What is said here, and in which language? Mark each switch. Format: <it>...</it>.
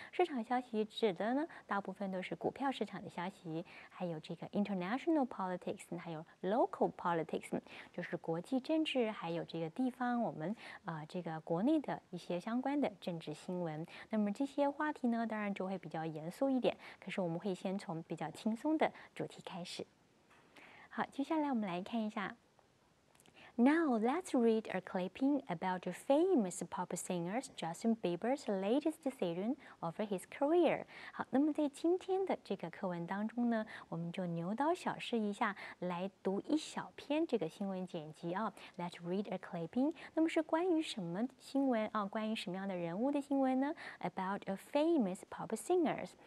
<zh>市场消息指的呢，大部分都是股票市场的消息，还有这个</zh> <en>international politics，</en> <zh>还有</zh> <en>local politics，</en> <zh>就是国际政治，还有这个地方我们这个国内的一些相关的政治新闻。那么这些话题呢，当然就会比较严肃一点，可是我们会先从比较轻松的主题开始。好，接下来我们来看一下。</zh> <en>Now let's read a clipping about the famous pop singer Justin Bieber's latest decision over his career.</en> <zh>好，那么在今天的这个课文当中呢，我们就牛刀小试一下，来读一小篇这个新闻剪辑啊。</zh> <en>Let's read a clipping.</en> <zh>那么是关于什么新闻啊？关于什么样的人物的新闻呢 ？</zh> <en>About a famous pop singer.</en>